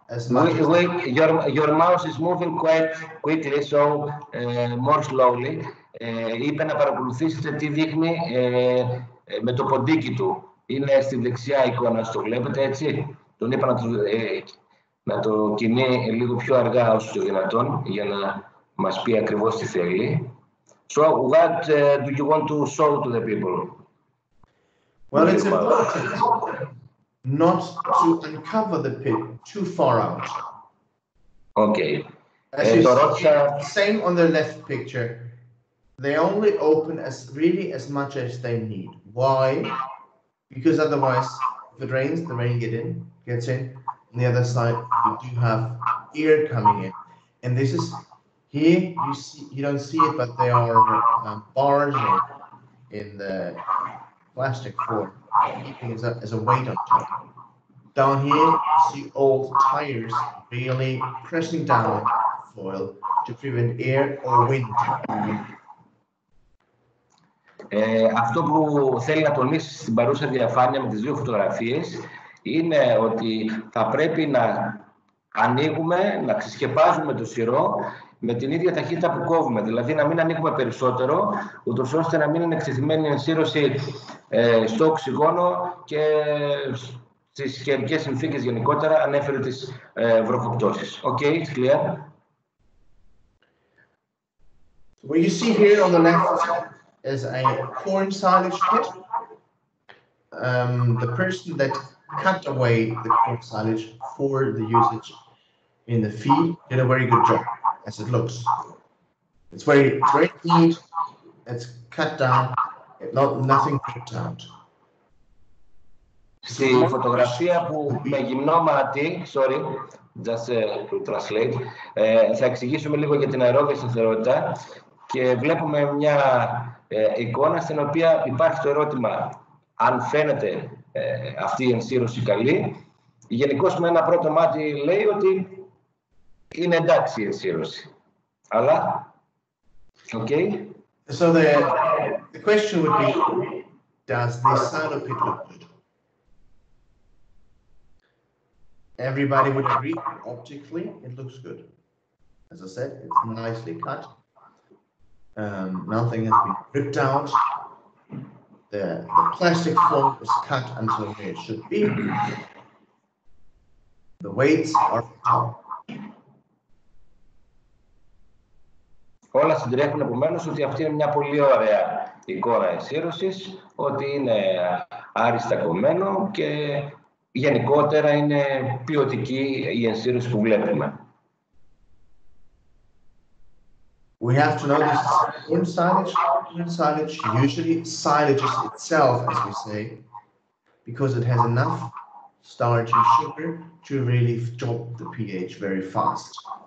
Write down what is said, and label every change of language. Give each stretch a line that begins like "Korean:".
English: Much as well, your mouse is moving quite quickly, so more slowly.
Greek: Είπε να παρακολουθήσετε τι δείχνει με το ποντίκι του. Είναι στη δεξιά εικόνα, το βλέπετε έτσι. Τον είπα να το κινεί λίγο πιο αργά όσο το δυνατόν, για να μας πει ακριβώς τι θέλει.
English: So, what do you want to show to the people? Well, it's important not to uncover the pit too far out. Okay. As you see, same on the left picture. They only open as really as much as they need. Why? Because otherwise, if it rains, the rain gets in. On the other side, you do have air coming in. And this is here. You see, you don't see it, but they are bars in the plastic form. Keeping as a weight on top. Down here, you see old tires really pressing down foil to prevent air or wind.
Greek: Αυτό που θέλει να τονίσει στην παρούσα διαφάνεια με τις δύο φωτογραφίες είναι ότι θα πρέπει να ανοίγουμε, να ξεσκεπάζουμε το σειρό με την ίδια ταχύτητα που κόβουμε. Δηλαδή να μην ανοίγουμε περισσότερο, ούτως ώστε να μην είναι εκτεθειμένη η ενσύρωση στο οξυγόνο και στις καιρικές συνθήκες γενικότερα, ανέφερε τις βροχοπτώσεις.
English: Οκ, okay, it's clear. What you see here on the left is a corn silage pit. The person that cut away the corn silage for the usage in the feed did a very good job, as it looks. It's very neat. It's cut down. Nothing cut out.
Greek: Στη φωτογραφία που με γυμνό μάτι,
English: sorry, just to translate,
Greek: θα εξηγήσουμε λίγο για την αερόβια σταθερότητα και βλέπουμε μια εικόνα στην οποία υπάρχει το ερώτημα αν φαίνεται αυτή η ενσύρωση καλή. Γενικώς με ένα πρώτο μάτι λέει ότι είναι εντάξει η ενσύρωση. Αλλά, okay.
English: So the question would be, does the silo pit look good? Everybody would agree, optically, it looks good. As I said, it's nicely cut. Nothing has been ripped out. The plastic foam was cut until it should be. The weights are top.
Greek: Όλα συντρέχουν επομένως ότι αυτή είναι μια πολύ ωραία εικόνα ενσύρωσης, ότι είναι άριστα κομμένο και γενικότερα είναι ποιοτική η ενσύρωση που βλέπουμε.
English: We have to know this is corn silage, corn silage, usually silage itself, as we say, because it has enough starch and sugar to really drop the pH very fast.